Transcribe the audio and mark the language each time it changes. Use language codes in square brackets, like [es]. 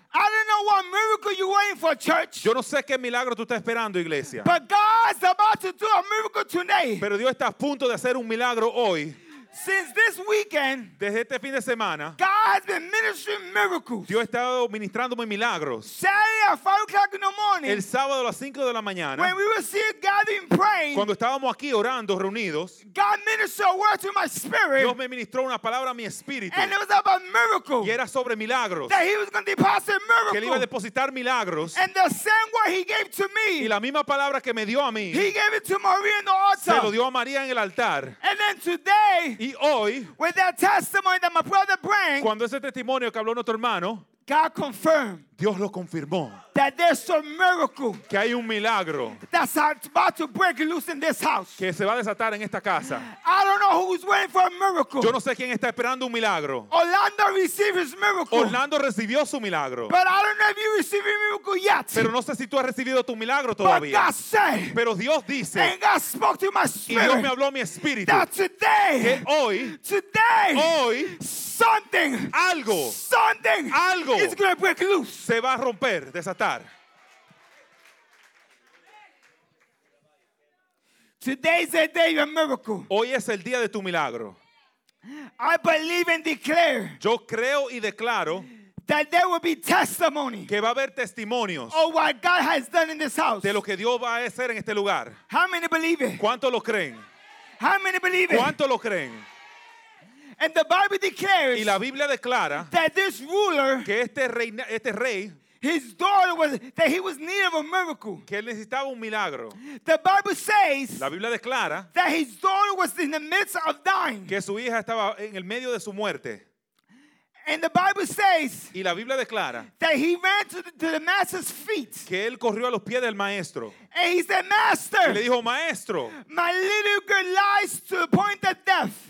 [en] I don't know what miracle you're waiting for, church. [es] Yo no sé qué milagro tú estás esperando, iglesia. [en] But God's about to do a miracle today. [es] Pero Dios está a punto de hacer un milagro hoy. [en] Since this weekend, [es] desde este fin de semana, [en] God has been ministering miracles. [es] Dios ha estado ministrándome milagros. [en] Saturday at 5:00 in the morning. [es] El sábado a las 5 de la mañana. [en] When we were still gathering, praying. [es] Cuando estábamos aquí orando, reunidos. [en] God ministered a word to my spirit. [es] Dios me ministró una palabra a mi espíritu. [en] And it was about miracles. [es] Y era sobre milagros. [en] That he was going to deposit miracles. [es] Que él iba a depositar milagros. [en] And the same word he gave to me. [es] Y la misma palabra que me dio a mí. [en] He gave it to Maria in the altar. [es] Se lo dio a María en el altar. [en] And then today. [es] Y hoy, [en] with that testimony that my brother bring, [es] cuando ese testimonio que habló nuestro hermano, [en] God confirmed, [es] Dios lo confirmó, [en] that there's a miracle, [es] que hay un milagro, [en] that's about to break loose in this house, [es] que se va a desatar en esta casa. [en] I don't know who's waiting for a miracle. [es] Yo no sé quién está esperando un milagro. [en] Orlando received his miracle. [es] Orlando recibió su milagro. [en] But I don't know if you received a miracle yet. [es] Pero no sé si tú has recibido tu milagro todavía. [en] But God said, [es] pero Dios dice, [en] and God spoke to my spirit, [es] y Dios me habló a mi espíritu, [en] that today, [es] que hoy, [en] today, [es] hoy, [en] something, [es] algo, [en] something, [es] algo, [en] is going to break loose. [es] Se va a romper, desatar. [en] Today's the day of a miracle. [es] Hoy es el día de tu milagro. [en] I believe and declare. [es] Yo creo y declaro. [en] That there will be testimony. [es] Que va a haber testimonios. [en] Of what God has done in this house. [es] De lo que Dios va a hacer en este lugar. [en] How many believe it? [es] ¿Cuánto lo creen? [en] How many believe it? [es] ¿Cuánto lo creen? [en] And the Bible declares. [es] Y la Biblia declara. [en] That this ruler. [es] Que este rey. [en] His daughter was that he was in need of a miracle. [es] Que él necesitaba un milagro. [en] The Bible says. [es] La Biblia declara. [en] That his daughter was in the midst of dying. [es] Que su hija estaba en el medio de su muerte. [en] And the Bible says. [es] Y la Biblia declara. [en] That he ran to the master's feet. [es] Que él corrió a los pies del maestro. [en] And he said, Master. [es] Y le dijo, maestro. [en] My little girl lies to the point of death.